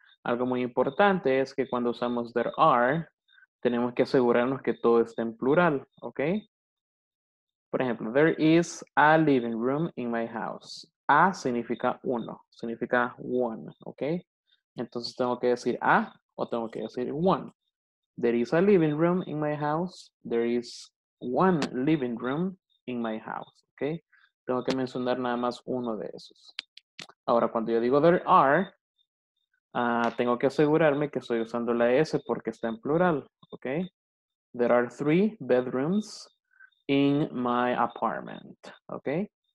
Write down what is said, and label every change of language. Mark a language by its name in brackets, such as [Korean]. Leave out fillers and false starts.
[Spanish] Algo muy importante es que cuando usamos there are, tenemos que asegurarnos que todo esté en plural, ¿ok? Por ejemplo, [English] there is a living room in my house. [Spanish] A significa uno, significa [English] one, [Spanish] ¿ok? Entonces tengo que decir a o tengo que decir one. [English] There is a living room in my house. There is one living room in my house, ¿ok? [Spanish] Tengo que mencionar nada más uno de esos. Ahora, cuando yo digo there are, tengo que asegurarme que estoy usando la S porque está en plural, ¿ok? [English] There are three bedrooms in my apartment, ¿ok?